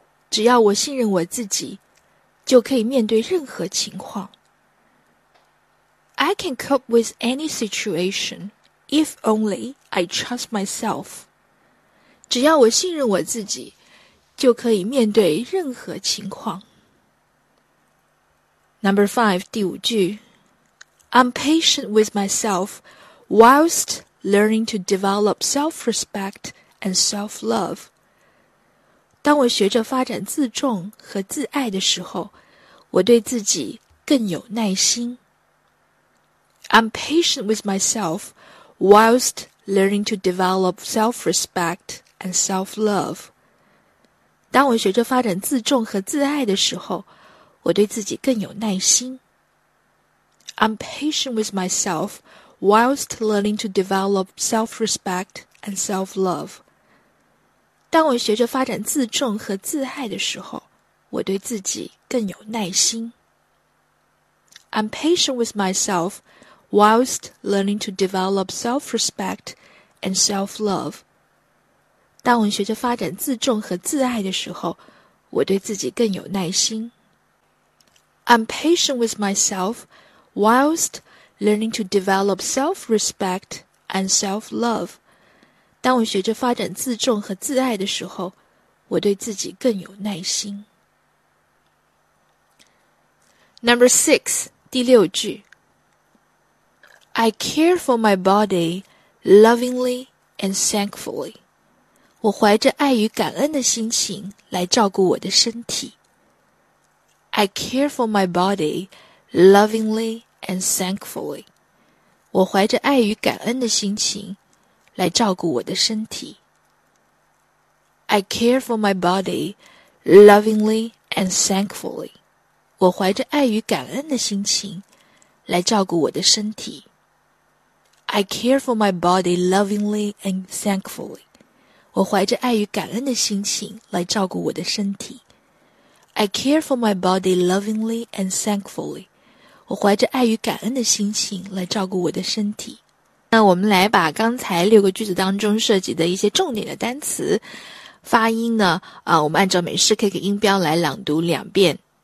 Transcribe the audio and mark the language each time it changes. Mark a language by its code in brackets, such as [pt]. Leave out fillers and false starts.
[zh] 只要我信任我自己，就可以面对任何情况。 [en] I can cope with any situation if only I trust myself. [zh] 只要我信任我自己，就可以面对任何情况。 [en] Number five, [zh] 第五句。 [en] I'm patient with myself whilst learning to develop self-respect and self-love. [zh] 当我学着发展自重和自爱的时候，我对自己更有耐心。 [en] I'm patient with myself whilst learning to develop self-respect and self-love. [zh] 当我学着发展自重和自爱的时候，我对自己更有耐心。 [en] I'm patient with myself whilst learning to develop self-respect and self-love. [zh] 当我学着发展自重和自爱的时候，我对自己更有耐心。 [en] I'm patient with myself whilst learning to develop self-respect and self-love. [zh] 当我学着发展自重和自爱的时候，我对自己更有耐心。 [en] I'm patient with myself whilst learning to develop self-respect and self-love. [zh] 当我学着发展自重和自爱的时候，我对自己更有耐心。 [en] Number 6, [zh] 第六句。 [en] I care for my body lovingly and thankfully. [zh] 我怀着爱与感恩的心情来照顾我的身体。 [en] I care for my body lovingly and thankfully. [zh] 我怀着爱与感恩的心情来照顾我的身体。 [en] I care for my body lovingly and thankfully. [zh] 我怀着爱与感恩的心情来照顾我的身体。 [en] I care for my body lovingly and thankfully. [zh] 我怀着爱与感恩的心情来照顾我的身体。 [en] I care for my body lovingly and thankfully. [zh] 我怀着爱与感恩的心情来照顾我的身体。那我们来把刚才六个句子当中涉及的一些重点的单词发音呢，我们按照美式 K 音标来朗读两遍。